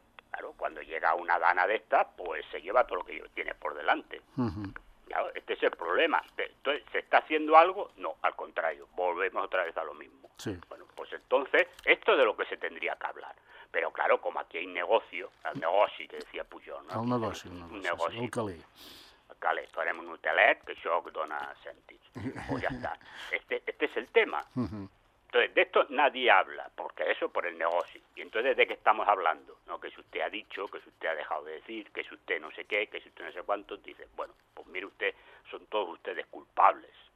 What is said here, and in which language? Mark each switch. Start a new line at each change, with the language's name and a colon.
Spanish: Claro, cuando llega una dana de estas, pues se lleva todo lo que tiene por delante. Claro, este es el problema. Entonces, ¿se está haciendo algo? No, al contrario, volvemos otra vez a lo mismo. Sí. Bueno, pues entonces, esto es de lo que se tendría que hablar. Pero claro, como aquí hay negocio, el negocio que decía Pujol, ¿no? El negocio. El calé,
Catalan: tenemos un hotelet, que això dona sentit.
Spanish: Pues ya está. Este es el tema. Entonces, de esto nadie habla, porque eso por el negocio. Y entonces, ¿de qué estamos hablando? ¿No? Que si usted ha dicho, que si usted ha dejado de decir, que si usted no sé qué, que si usted no sé cuánto, dice, bueno, pues mire usted, son todos ustedes culpables.